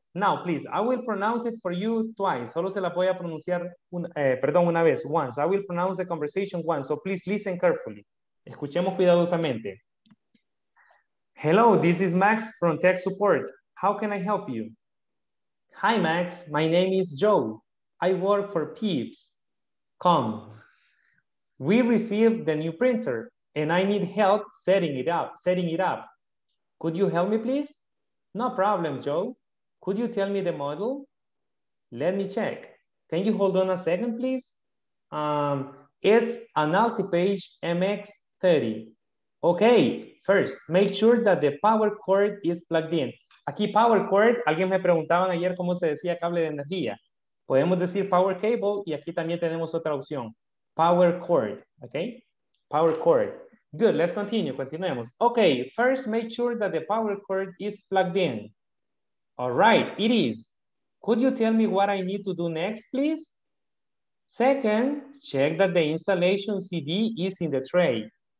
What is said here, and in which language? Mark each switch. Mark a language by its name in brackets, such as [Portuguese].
[English] Now, please, I will pronounce it for you twice. [Spanish] Solo se la voy a pronunciar, una vez, [English] once. I will pronounce the conversation once. So please listen carefully. [Spanish] Escuchemos cuidadosamente. [English] Hello, this is Max from Tech Support. How can I help you? Hi, Max. My name is Joe. I work for Peeps.com. We received the new printer and I need help setting it up. Could you help me, please? No problem, Joe. Could you tell me the model? Let me check. Can you hold on a second, please? It's an Altipage MX30. Okay, first, make sure that the power cord is plugged in. [Spanish] Aquí, power cord, alguien me preguntaba ayer cómo se decía cable de energía. Podemos decir power cable y aquí también tenemos otra opción. [English] Power cord, okay? Power cord. Good, let's continue, [Spanish] continuemos. [English] Okay, first make sure that the power cord is plugged in. All right, it is. Could you tell me what I need to do next, please? Second, check that the installation CD is in the tray.